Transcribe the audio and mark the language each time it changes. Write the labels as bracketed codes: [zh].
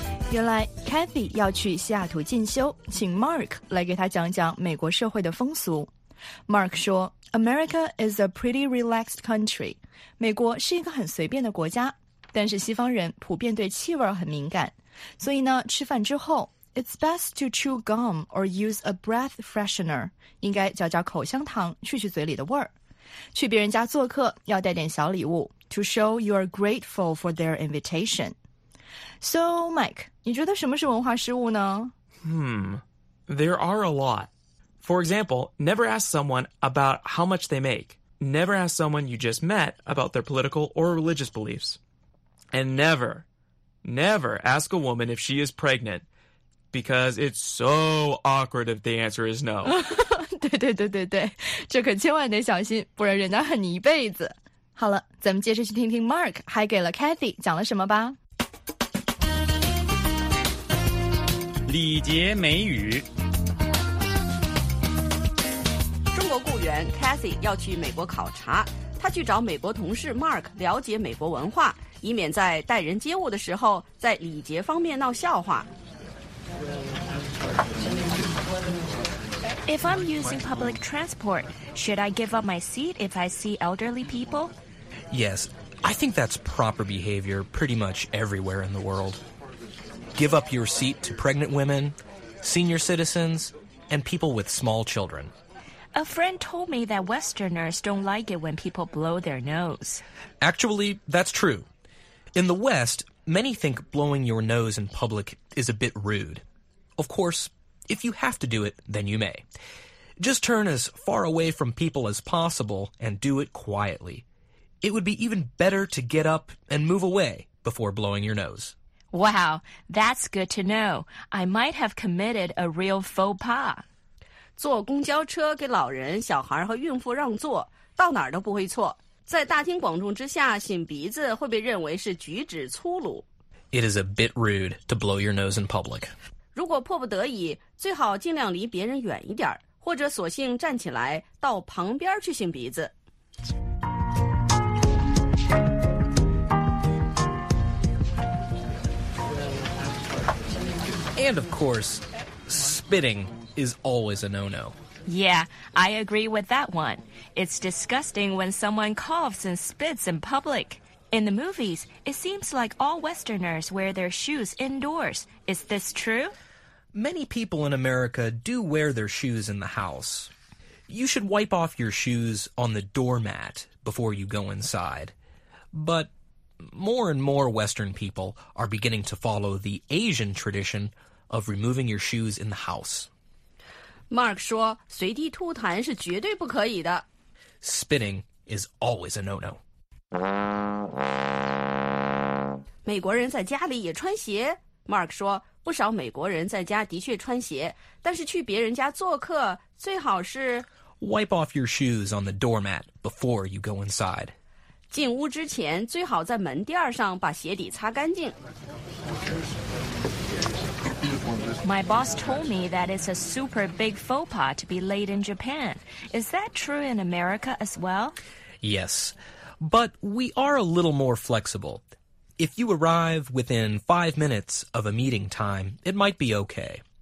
[zh] 原来 Cathy 要去西雅图进修，请 Mark 来给他讲讲美国社会的风俗。 [en] Mark 说 ，America is a pretty relaxed country. [zh] 美国是一个很随便的国家，但是西方人普遍对气味很敏感，所以呢，吃饭之后 ， [en] it's best to chew gum or use a breath freshener. [zh] 应该嚼嚼口香糖，去去嘴里的味儿。去别人家做客要带点小礼物 [en] ，to show you are grateful for their invitation. [zh] So, Mike, 你觉得什么是文化失误呢？ [en] There are a lot. For example, never ask someone about how much they make. Never ask someone you just met about their political or religious beliefs. And never, never ask a woman if she is pregnant, because it's so awkward if the answer is no. [zh] 对对对对对，这可千万得小心，不然人家恨你一辈子。好了，咱们接着去听听 Mark 还给了 Cathy 讲了什么吧。礼节美语。中国雇员 Cathy 要去美国考察，他去找美国同事 Mark 了解美国文化，以免在待人接物的时候在礼节方面闹笑话。 [en] If I'm using public transport, should I give up my seat if I see elderly people? Yes, I think that's proper behavior pretty much everywhere in the world. Give up your seat to pregnant women, senior citizens, and people with small children. A friend told me that Westerners don't like it when people blow their nose. Actually, that's true. In the West, many think blowing your nose in public is a bit rude. Of course, if you have to do it, then you may. Just turn as far away from people as possible and do it quietly. It would be even better to get up and move away before blowing your nose. Wow, that's good to know. I might have committed a real faux pas. [zh] 坐公交车给老人、小孩和孕妇让座，到哪儿都不会错。在大庭广众之下擤鼻子会被认为是举止粗鲁。 [en] It is a bit rude to blow your nose in public. [zh] 如果迫不得已，最好尽量离别人远一点，或者索性站起来到旁边去擤鼻子。 [en] And of course, spitting is always a no-no. Yeah, I agree with that one. It's disgusting when someone coughs and spits in public. In the movies, it seems like all Westerners wear their shoes indoors. Is this true? Many people in America do wear their shoes in the house. You should wipe off your shoes on the doormat before you go inside. But more and more Western people are beginning to follow the Asian tradition of removing your shoes in the house. [zh] Mark 说随地吐痰是绝对不可以的。 [en] Spitting is always a no-no. [zh] 美国人在家里也穿鞋。 Mark 说不少美国人在家的确穿鞋，但是去别人家做客最好是 [en] Wipe off your shoes on the doormat before you go inside. [zh] 进屋之前最好在门垫上把鞋底擦干净。 [en] My boss told me that it's a super big faux pas to be late in Japan. Is that true in America as well? Yes, but we are a little more flexible. If you arrive within 5 minutes of a meeting time, it might be okay.